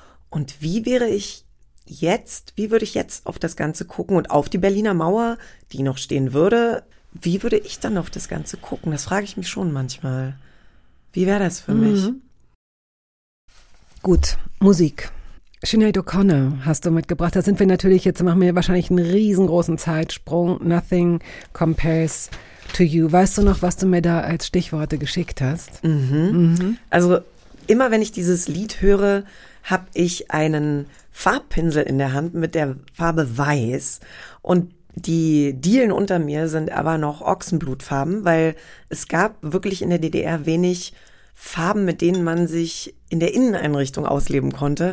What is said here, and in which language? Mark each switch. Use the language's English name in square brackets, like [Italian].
[German] Und wie würde ich jetzt auf das Ganze gucken und auf die Berliner Mauer, die noch stehen würde, wie würde ich dann auf das Ganze gucken? Das frage ich mich schon manchmal. Wie wäre das für mich? Gut, Musik. Sinead O'Connor hast du mitgebracht. Da sind wir natürlich, jetzt machen wir wahrscheinlich einen riesengroßen Zeitsprung. [English] Nothing compares to you. [German] Weißt du noch, was du mir da als Stichworte geschickt hast? Mhm. Also immer, wenn ich dieses Lied höre, habe ich einen Farbpinsel in der Hand mit der Farbe Weiß. Und die Dielen unter mir sind aber noch Ochsenblutfarben, weil es gab wirklich in der DDR wenig Farben, mit denen man sich in der Inneneinrichtung ausleben konnte.